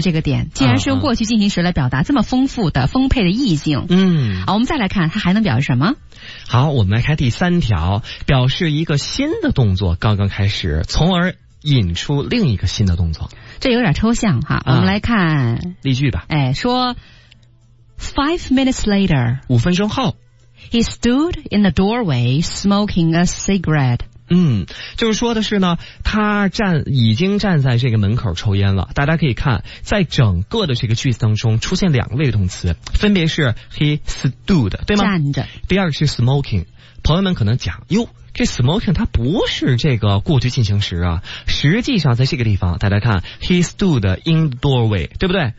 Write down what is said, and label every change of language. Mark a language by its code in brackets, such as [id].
[zh] 这个点既然是用过去进行时来表达这么丰富的丰沛的意境，嗯，好，我们再来看它还能表示什么。好，我们来看第三条，表示一个新的动作刚刚开始，从而引出另一个新的动作。这有点抽象哈，我们来看例句吧。哎，说 [en] 5 minutes later， [zh] 五分钟后。 [en] He stood in the doorway smoking a cigarette。 [zh] 就是说的是呢，他已经站在这个门口抽烟了。大家可以看，在整个的这个句子当中出现两个谓语动词，分别是 [en] he stood， [zh] 对吗？站着。第二个是 smoking。朋友们可能讲，哟，这 smoking 它不是这个过去进行时啊，实际上在这个地方大家看 [en] he stood in the doorway， [zh] 对不对？